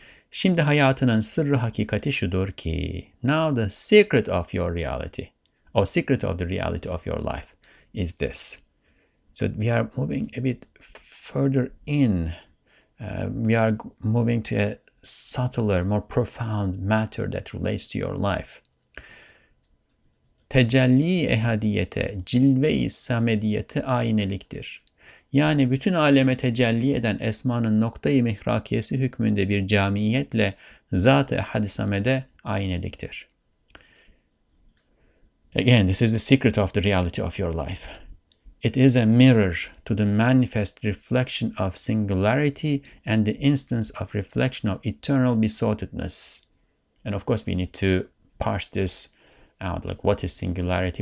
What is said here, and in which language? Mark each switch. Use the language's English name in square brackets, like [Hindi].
[Turkish] Şimdi hayatının sırrı hakikati şudur ki, [English] now the secret of your reality, or secret of the reality of your life, is this. So we are moving a bit further in. We are moving to a subtler, more profound matter that relates to your life. [Turkish] Tecelli ehadiyete, cilve-i samediyete ayneliktir. Yani bütün aleme tecelli eden esmanın nokta-i mihrakiyesi hükmünde bir camiyetle zat-ı ehad-i samede ayneliktir. [English] Again, this is the secret of the reality of your life. It is a mirror to the manifest reflection of singularity and the instance of reflection of eternal besottedness. And of course, we need to parse this out. Like, what is singularity?